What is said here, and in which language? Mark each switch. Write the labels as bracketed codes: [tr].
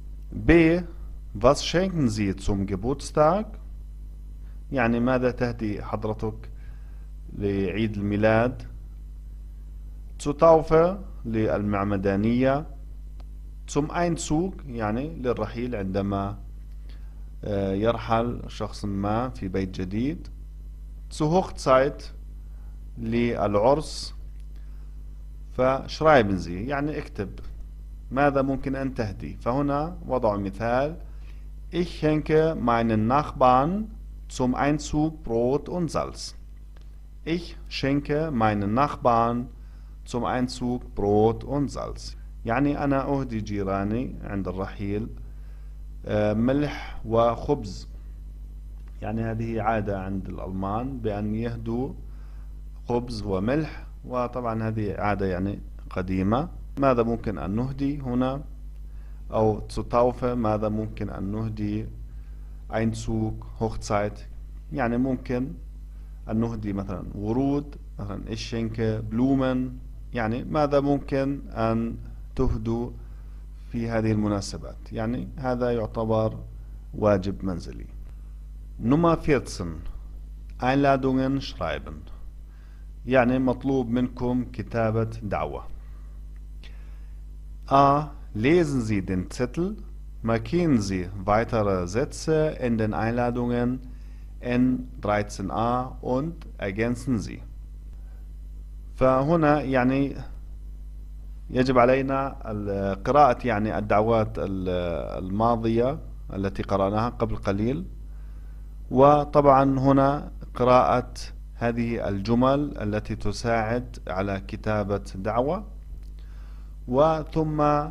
[ar] B [de] Was schenken Sie zum Geburtstag؟ [ar] يعني ماذا تهدي حضرتك لعيد الميلاد؟ [de] Zu Taufe [ar] للمعمدانية، [de] Zum Einzug [ar] يعني للرحيل عندما يرحل شخص ما في بيت جديد، [de] Zu Hochzeit [ar] للعرس. فشرايبن زي يعني اكتب، ماذا ممكن ان تهدي؟ فهنا وضع مثال: [de] Ich schenke meinen Nachbarn zum Einzug Brot und Salz. Ich schenke meinen Nachbarn zum Einzug Brot und Salz. [ar] يعني انا اهدي جيراني عند الرحيل ملح وخبز. يعني هذه عادة عند الألمان بأن يهدوا خبز وملح، وطبعا هذه عادة يعني قديمة. ماذا ممكن أن نهدي هنا؟ أو تطاوفة، ماذا ممكن أن نهدي؟ Einzug Hochzeit، يعني ممكن أن نهدي مثلا ورود، مثلا [de] Ich schenke Blumen، [ar] يعني ماذا ممكن أن تهدوا في هذه المناسبات؟ يعني هذا يعتبر واجب منزلي. [de] Nummer 14 Einladungen schreiben. [ar] يعني مطلوب منكم كتابة دعوة. [de] A Lesen Sie den Zettel. Markieren Sie weitere Sätze in den Einladungen in 13a und ergänzen Sie. [ar] فهنا يعني يجب علينا قراءة يعني الدعوات الماضية التي قرأناها قبل قليل، وطبعا هنا قراءة هذه الجمل التي تساعد على كتابة دعوة، وثم